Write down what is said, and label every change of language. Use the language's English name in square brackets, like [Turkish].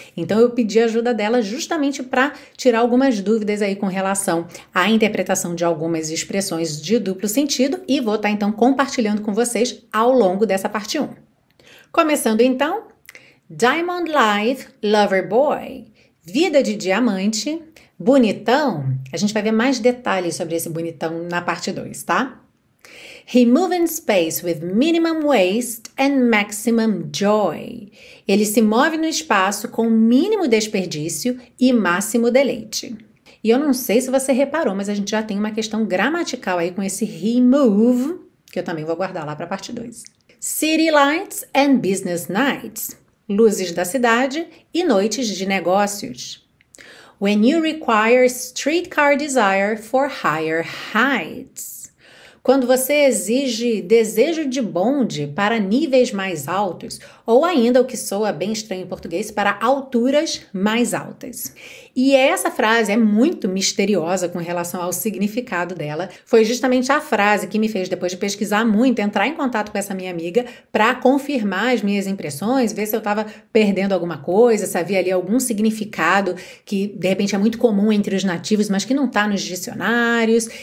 [Portuguese] Então eu pedi ajuda dela justamente para tirar algumas dúvidas aí com relação à interpretação de algumas expressões de duplo sentido e vou estar então compartilhando com vocês ao longo dessa parte 1. Começando então. [English] Diamond Life, Lover Boy, [Portuguese] vida de diamante, bonitão. A gente vai ver mais detalhes sobre esse bonitão na parte 2, tá? [English] He moves in space with minimum waste and maximum joy. [Portuguese] Ele se move no espaço com mínimo desperdício e máximo deleite. E eu não sei se você reparou, mas a gente já tem uma questão gramatical aí com esse [English] he move, [Portuguese] que eu também vou guardar lá para a parte 2. [English] City Lights and Business Nights. [Portuguese] Luzes da cidade e noites de negócios. [English] When you require streetcar desire for higher heights. [Portuguese] Quando você exige desejo de bonde para níveis mais altos, ou ainda o que soa bem estranho em português, para alturas mais altas. E essa frase é muito misteriosa com relação ao significado dela. Foi justamente a frase que me fez, depois de pesquisar muito, entrar em contato com essa minha amiga para confirmar as minhas impressões, ver se eu estava perdendo alguma coisa, se havia ali algum significado que, de repente, é muito comum entre os nativos, mas que não está nos dicionários.